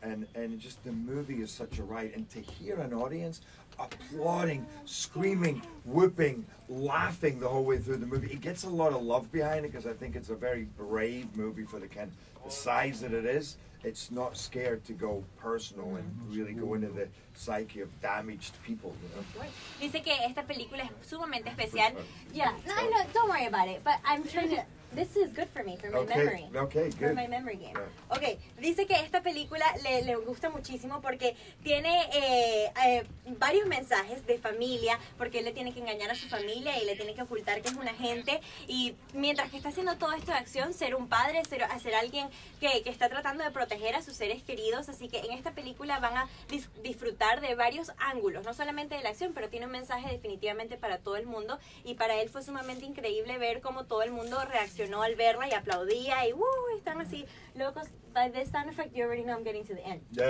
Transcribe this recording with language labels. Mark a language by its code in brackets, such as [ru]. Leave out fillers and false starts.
[en] And just the movie is such a ride. And to hear an audience applauding, screaming, whooping, laughing the whole way through the movie, it gets a lot of love behind it, because I think it's a very brave movie for the kind the size that it is. It's not scared to go personal and really go into the psyche of damaged people, you know? [es] Dice que esta película es sumamente especial. [en] Yeah, no, don't worry about it, but I'm trying to... This is good for me, for my memory. Okay, good. For my memory game. Yeah. [es] Okay, dice que esta película le gusta muchísimo porque tiene varios mensajes de familia, porque él le tiene que engañar a su familia y le tiene que ocultar que es un agente. Y mientras que está haciendo todo esto de acción, ser un padre, ser alguien que está tratando de proteger a sus seres queridos. Así que en esta película van a disfrutar de varios ángulos, no solamente de la acción, pero tiene un mensaje definitivamente para todo el mundo. Y para él fue sumamente increíble ver cómo todo el mundo reaccionó al verla y aplaudía y están así locos. [en] By this sound effect, you already know I'm getting to the end.